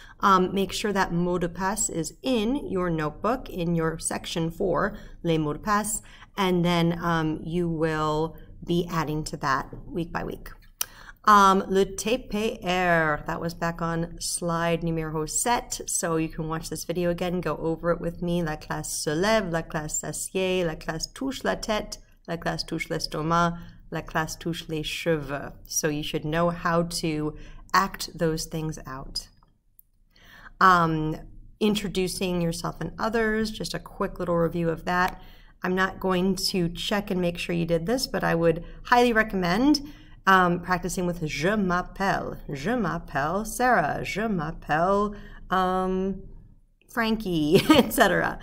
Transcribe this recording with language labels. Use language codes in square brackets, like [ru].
[en] Make sure that [fr] mot de passe [en] is in your notebook, in your section 4, [fr] les mots de passe, [en] and then you will be adding to that week by week. [fr] Le TPR, [en] that was back on slide numero 7, so you can watch this video again, go over it with me. [fr] La classe se lève, la classe s'assied, la classe touche la tête, la classe touche l'estomac, la classe touche les cheveux. [en] So you should know how to act those things out. Introducing yourself and others, just a quick little review of that. I'm not going to check and make sure you did this, but I would highly recommend practicing with [fr] je m'appelle Sarah, je m'appelle Frankie, [en] etc.